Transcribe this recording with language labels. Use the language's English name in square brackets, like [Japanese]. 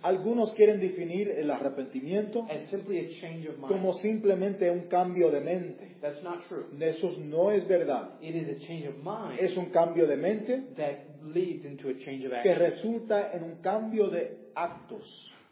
[Spanish] Algunos quieren definir el arrepentimiento [English] as simply a change of mind. [Spanish] Como simplemente un cambio de mente. [English] That's not true. [Spanish] Eso no es verdad. [English] It is a change of mind. [Spanish] Es un cambio de mente [English] that leads into a change of [Spanish] que resulta en un cambio de actos.